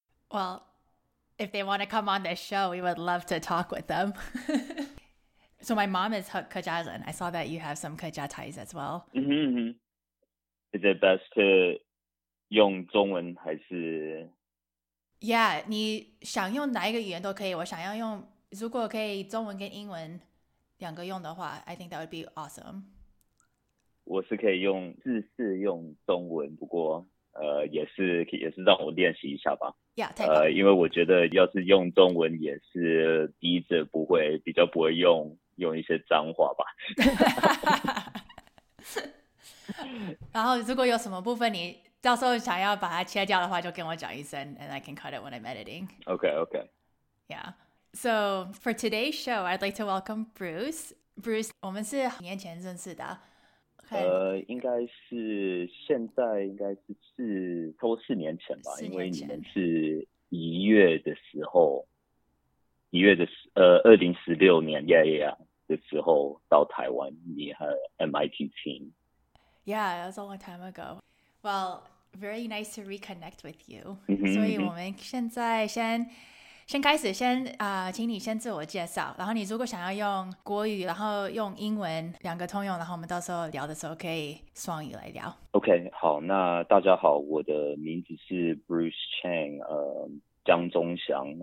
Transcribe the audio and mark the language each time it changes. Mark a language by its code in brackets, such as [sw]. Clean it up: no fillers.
[en] Well, if they want to come on this show, we would love to talk with them. So my mom is Hakka-Jazan. I saw that you have some Kaja ties as well. Mm-hmm. Is it best to [zh] 用中文还是 Yeah, 你想用哪一个语言都可以。我想要用，如果可以中文跟英文两个用的话， [en] I think that would be awesome. [zh] 我是可以用日式用中文，不过也是让我练习一下吧。 Yeah, 因为我觉得要是用中文也是逼着不会，比较不会用一些脏话吧。然后如果有什么部分你到时候想要把它切掉的话，就跟我讲一声 ， [en] and I can cut it when I'm editing. Okay, okay. Yeah. So for today's show, I'd like to welcome Bruce. [zh] Bruce, 我们是几年前认识的。应该是现在应该是差不多4年前吧，因为你们是2016年 的时候到台湾，你和 MIT team。 [en] Yeah, that was a long time ago. Well, very nice to reconnect with you. [zh] 所以我们现在先开始，请你先自我介绍，然后你如果想要用国语，然后用英文两个通用，然后我们到时候聊的时候可以双语来聊。 OK， 好，那大家好，我的名字是 Bruce Chang， 江宗祥。